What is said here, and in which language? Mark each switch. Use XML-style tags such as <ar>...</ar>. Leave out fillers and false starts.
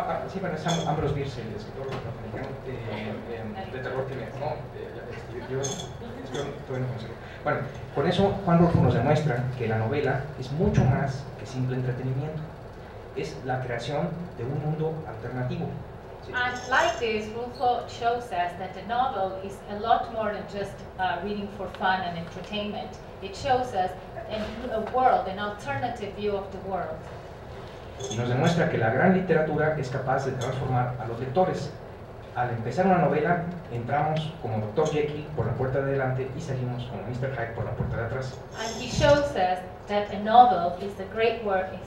<es>Sí, pero es Ambrose Bierce, el escritor norteamericano de terror que me dijo, todavía no consigo. Bueno, con eso Juan Rulfo nos demuestra que la novela es mucho más que simple entretenimiento. Es la creación de un mundo alternativo.</es> <en>And like this, Rulfo shows us that the novel is a lot more than just reading for fun and entertainment. It shows us a world, an alternative view of the world.</en> <es>Y nos demuestra que la gran literatura es capaz de transformar a los lectores. Al empezar una novela, entramos como Dr. Jekyll por la puerta de delante y salimos como Mr. Hyde por la puerta de atrás.</es> <en>And he shows us that a novel is a great work.</en>